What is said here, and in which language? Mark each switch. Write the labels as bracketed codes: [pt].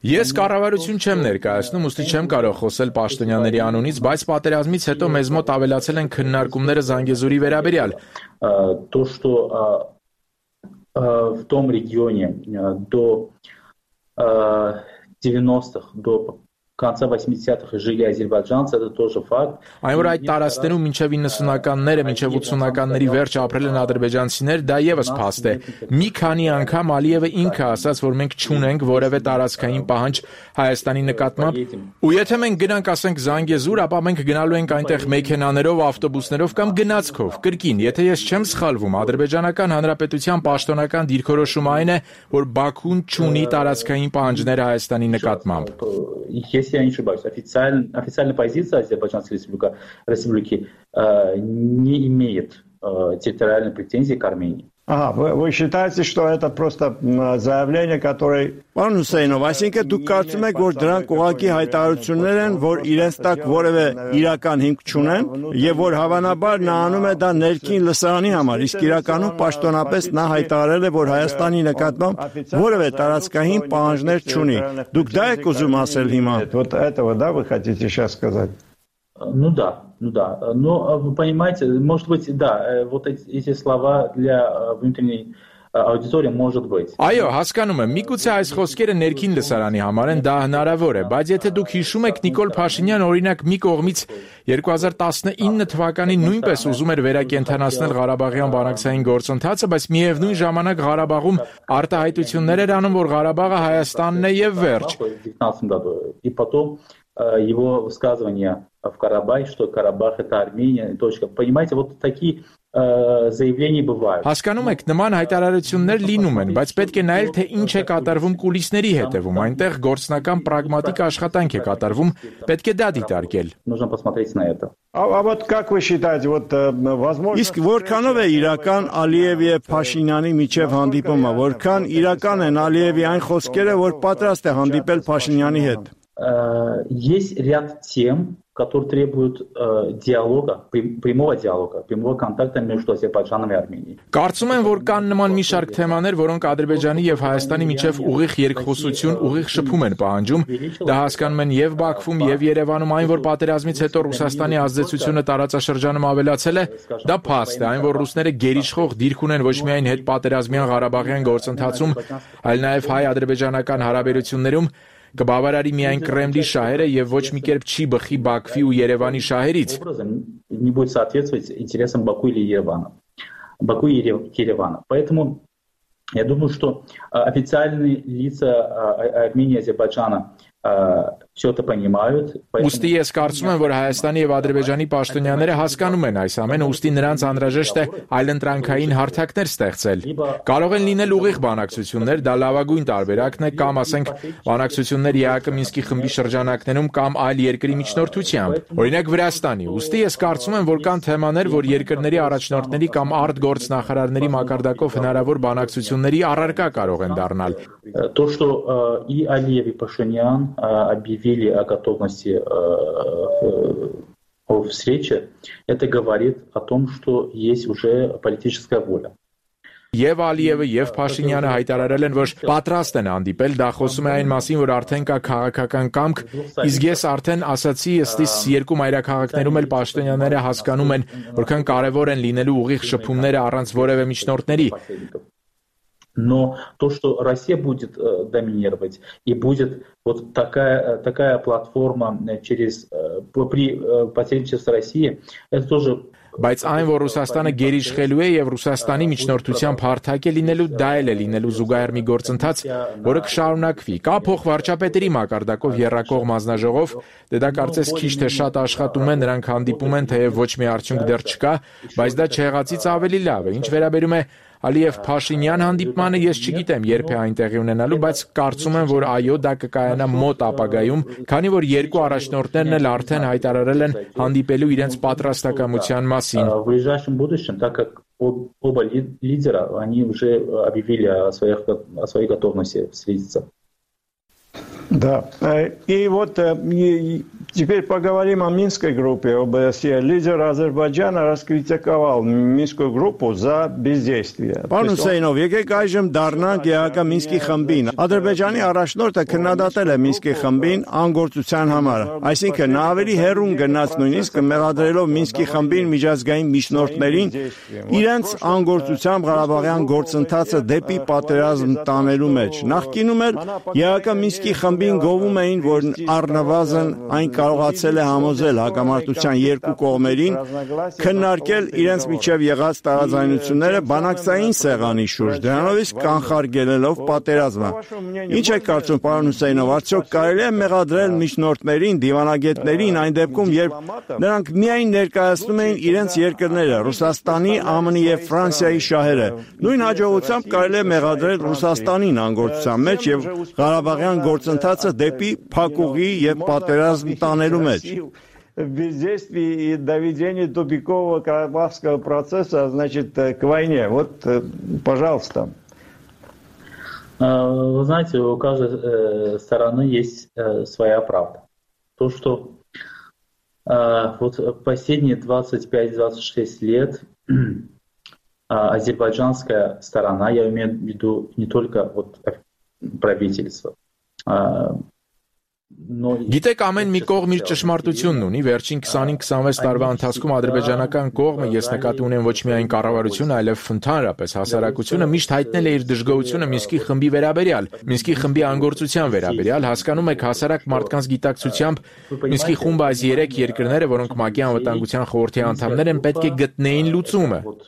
[hy] Ես կառավարություն չեմ ներկայացնում, ուստի չեմ կարող խոսել Պաշտոնյաների անունից, բայց պատերազմից հետո մեզ մոտ ավելացել են քննարկումները Զանգեզուրի վերաբերյալ։ [ru] То, что в том регионе до 90-х, до конца 80-х жили азербайджанцы, это тоже факт. [hy] Այն որ այդ տարածքներում մինչև 90-ականները, մինչև 80-ականների վերջ ապրել են ադրբեջանցիներ, դա եւս փաստ է։ Մի քանի անգամ Ալիևը ինքը ասաց, որ մենք չունենք որևէ տարածքային պահանջ Հայաստանի նկատմամբ, ու եթե մենք գնանք, ասենք, Զանգեզուր, ապա մենք գնալու ենք այնտեղ մեքենաներով, ավտոբուսներով կամ գնացքով։ Կրկին, եթե ես չեմ սխալվում, ադրբեջանական հանրապետության պաշտոնական դիրքորոշումը այն է, որ Բաքուն չունի տարածքային պահանջներ Հայաստանի նկատմամբ։ [ru] Если я не ошибаюсь, официальная позиция Азербайджанской республики не имеет территориальной претензии к Армении. Ага, вы считаете, что это просто заявление, которое... [hy] Պարոն Հուսեյնով, այսինքն դուք կարծում եք, որ դրանք ուղղակի հայտարարություններ են, որ իրենց տակ որևէ իրական հիմք չունեն, եւ որ հավանաբար նա անում է դա ներքին լսարանի համար, իսկ իրականում պաշտոնապես նա հայտարարել է, որ Հայաստանի նկատմամբ որևէ տարածքային պահանջներ չունի։ Դուք դա եք ուզում ասել հիմա։ [ru] Вот этого, да, вы хотите сейчас сказать? Ну да. Но вы понимаете, может быть, да, вот эти слова для внутренней аудитория может быть. [hy] Այո, հասկանում եմ, միգուցե այս խոսքերը ներքին լսարանի համար են, դա հնարավոր է, բայց եթե դուք հիշում եք Նիկոլ Փաշինյան, օրինակ, մի կողմից 2019 թվականին նույնպես ուզում էր վերակենդանացնել Ղարաբաղյան բանակցային գործընթացը, բայց միևնույն ժամանակ Ղարաբաղում արտահայտություններ էր անում, որ Ղարաբաղը Հայաստանն է եւ վերջ։ [ru] И потом его высказывания в Карабахе, что Карабах это Армения, точка. Понимаете, вот такие заявлений бывает. [hy] Հասկանում եք, նման հայտարարություններ լինում են, բայց պետք է նայել, թե ինչ է կատարվում կուլիսների հետևում, այնտեղ գործնական պրագմատիկ աշխատանք է կատարվում, պետք է դա դիտարկել։ [ru] Нужно посмотреть на это. А вот как вы считаете, вот возможно [hy] Իսկ որքանով է իրական Ալիև եւ Փաշինյանի միջև հանդիպումը, որքան իրական են Ալիևի այն խոսքերը, որ պատրաստ է հանդիպել Փաշինյանի հետ։ [ru] Есть ряд тем, которые требуют диалога, прямого диалога, прямого контакта между Азербайджаном и Арменией. [hy] Կարծում եմ, որ կան նման մի շարք թեմաներ, որոնք Ադրբեջանի եւ Հայաստանի միջև ուղիղ երկխոսություն, ուղիղ շփում են պահանջում, դա հասկանում են եւ Բաքվում, եւ Երևանում, այն որ պատերազմից հետո Ռուսաստանի ազդեցությունը տարածաշրջանում ավելացել է, դա փաստ է, այն որ ռուսները գերիշխող դիրք ունեն ոչ միայն հետ պատերազմյան Ղարաբաղյան գործընթացում, այլ նաեւ հայ-ադրբեջանական հարաբերություններում։ Կբավարարի միայն Կրեմլի շահերը եւ ոչ մի կերպ չի բխի Բաքվի ու Երևանի շահերից։ [ru] Я думаю, что официальные лица Армении и Азербайджана всё это понимают. [hy] Ուստի ես կարծում եմ, որ Հայաստանի եւ Ադրբեջանի պաշտոնյաները հասկանում են այս ամենը, ուստի նրանց անհրաժեշտ է այլընտրանքային հարթակներ ստեղծել։ Կարող են լինել ուղիղ բանակցություններ, դա լավագույն տարբերակն է, կամ ասենք բանակցություններ ԵԱԿ-ի Մինսկի խմբի շրջանակներում կամ այլ երկրի միջնորդությամբ։ Օրինակ Վրաստանի, ուստի ես կարծում եմ, որ կան թեմաներ, որ երկրների առաջնորդների կամ արտգործնախարարների մակարդակով հնարավոր բանակցությունների առարկա կարող են դառնալ։ [ru] То, что и Алиев, и Пашинян объявили о готовности о встрече, это говорит о том, что есть уже политическая воля. [hy] Եվ Ալիևը եւ Փաշինյանը հայտարարել են, որ պատրաստ են հանդիպել, դա խոսում է այն մասին, որ արդեն կա քաղաքական կամք, իսկ ես արդեն ասացի, ըստիս երկու մայրաքաղաքներում էլ պաշտոնյաները հասկանում են, որքան կարեւոր են լինելու ուղիղ շփումները առանց որևէ միջնորդների։ [ru] Но то, что Россия будет доминировать и будет вот такая платформа через при посредничестве России, это тоже [hy] Բայց այն, որ Ռուսաստանը գերիշխելու է եւ Ռուսաստանի միջնորդության հարթակ է լինելու, դա էլ է լինելու զուգահեռ մի գործընթաց, որը կշարունակվի։ Կա փող վարչապետերի մակարդակով երրակող մազնաժողով, դե դա կարծես քիչ թե շատ աշխատում են, նրանք հանդիպում են, թեև ոչ մի արդյունք դեռ չկա, բայց դա չեղածից ավելի լավ է։ Ինչ վերաբերում է Ալիև Փաշինյան հանդիպմանը, ես չգիտեմ, երբ է այնտեղի ունենալու, բայց կարծում եմ, որ այո, դա կկայանա մոտ ապագայում, քանի որ երկու առաջնորդներն էլ արդեն հայտարարել են հանդիպելու իրենց պատրաստակամության մասին։ [ru] В ближайшем будущем, так как оба лидера, они уже объявили о своей готовности встретиться. Да. И вот теперь поговорим о Минской группе ОБСЕ. Лидер Азербайджана раскритиковал Минскую группу за бездействие. [hy] Пан Хусейнов, եկեք այժմ դառնանք ԵԱԿ-ի Մինսկի խմբին. Ադրբեջանի առաջնորդը քննադատել է Մինսկի խմբին անգործության համար. Այսինքն նա ավելի հեռուն գնաց նույնիսկ մեղադրելով Մինսկի խմբին միջազգային միջնորդներին իրենց անգործությամբ Ղարաբաղյան գործընթացը դեպի պատերազմ տանելու մեջ։ Նախկինում էլ ԵԱԿ-ի Մինսկի խմբին գովում էին, որ առնվազն այն կարողացել է համոզել հակամարտության երկու կողմերին քննարկել իրենց միջև եղած տարաձայնությունները բանակցային սեղանի շուրջ, դրանով իսկ կանխարգելելով պատերազմը։ Ինչ է կարծում պարոն Հուսեյնով, արդյոք կարելի է մեղադրել միջնորդներին, դիվանագետներին այն դեպքում, երբ նրանք միայն ներկայացնում էին իրենց երկրները՝ Ռուսաստանի, ԱՄՆ-ի եւ Ֆրանսիայի շահերը։ Նույն հաջողությամբ կարելի է մեղադրել Ռուսաստանին անգործության մեջ եւ Ղարաբաղյան գործընթացը դեպի փակուղի եւ պատերազմ տանելու մեջ։ [ru] Бездействие и доведение тупикового карабахского процесса, значит, к войне. Вот, пожалуйста. Вы знаете, у каждой стороны есть своя правда. То, что вот последние 25-26 лет азербайджанская сторона, я имею в виду не только вот правительство, [hy] Գիտեք, ամեն մի կողմ իր ճշմարտությունն ունի։ Վերջին 25-26 տարվա ընթացքում ադրբեջանական կողմը, ես նկատի ունեմ, ոչ միայն կառավարությունը, այլև ընդհանրապես հասարակությունը միշտ հայտնել է իր դժգոհությունը Մինսկի խմբի վերաբերյալ, Մինսկի խմբի անգործության վերաբերյալ։ Հասկանում եք, հասարակ մարդկանց գիտակցությամբ Մինսկի խումբը այս երեք երկրները, որոնք ՄԱԿ-ի անվտանգության խորհրդի անդամներ են, պետք է գտնեին լուծումը։